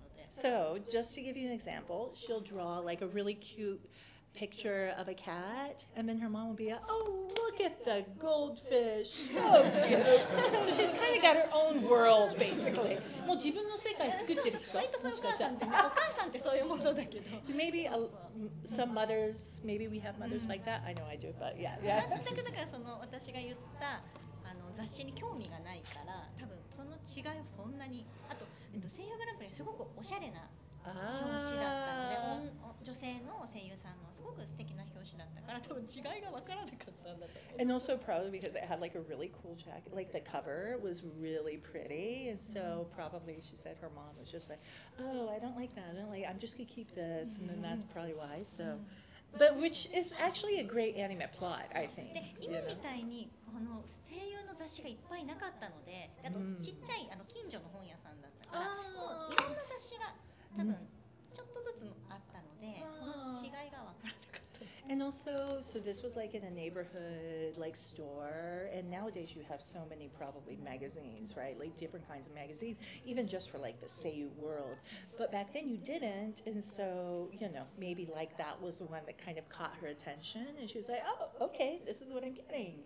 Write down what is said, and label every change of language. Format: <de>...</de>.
<en>So just to give you an example, she'll draw like a really cute picture of a cat, and then her mom will be like, oh, look at the goldfish. So cute. So she's kind of got her own world, basically.</en> <ja>もう自分の世界作ってる人。そうそう、お母さんってね、お母さんってそういうものだけど。</ja> <en>Maybe some mothers, maybe we have mothers like that. I know I do, but yeah.</en> <ja>全くだからその私が言ったあの雑誌に興味がないから、多分その違いをそんなに。あと、声優グランプリすごくおしゃれな表紙だったので、女性の声優さんのすごく素敵な表紙だったから、多分違いが分からなかったんだと思う。</ja> <en>And also probably because it had like a really cool jacket, like the cover was really pretty, and so probably she said her mom was just like, oh, I don't like that, I don't like, I'm just gonna keep this, and then that's probably why. So, but which is actually a great anime plot, I think.</en> <ja>で、今みたいにこの声優の雑誌がいっぱいなかったので、あとちっちゃいあの近所の本屋さんだったから、もういろんな雑誌が多分ちょっとずつあったので、その違いが分からなかった。</ja> <en>And also, so this was like in a neighborhood like store, and nowadays you have so many probably magazines, right? Like different kinds of magazines, even just for like the Seiyu world. But back then you didn't, and so, you know, maybe like that was the one that kind of caught her attention, and she was like, oh, okay, this is what I'm getting.</en>